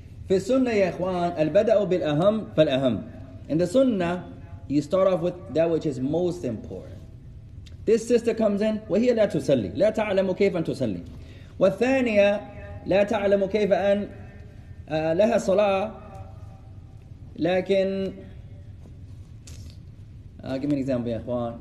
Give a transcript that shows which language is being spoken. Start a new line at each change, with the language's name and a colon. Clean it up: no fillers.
Arabic: في السنة يا إخوان البدء بالأهم فالأهم.
English: In the Sunnah, you start off with that which is most important. This sister comes in,
Arabic: وهي لا تصلي, لا تعلم كيف أن تصلي. والثانية لا تعلم كيف أن لها صلاة, لكن
English: give me an example
Arabic: يا إخوان.